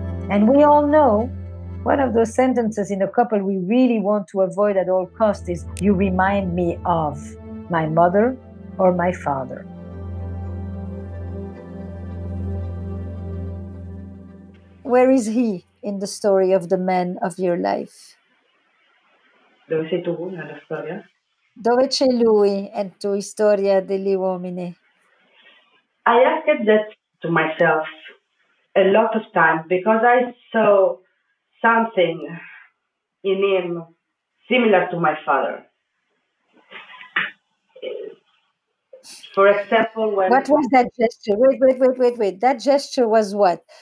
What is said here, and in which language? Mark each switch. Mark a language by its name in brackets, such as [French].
[English] And we all know one of those sentences in a couple we really want to avoid at all costs is, you remind me of my mother or my father. Where is he in the story of the man of your life? [Italian] Dove sei tu nella storia? Dove c'è lui in tua storia degli uomini? [English] I asked that to myself a lot of times because I saw something in him similar to my father. For example, when... What was that gesture? Wait. That gesture was what?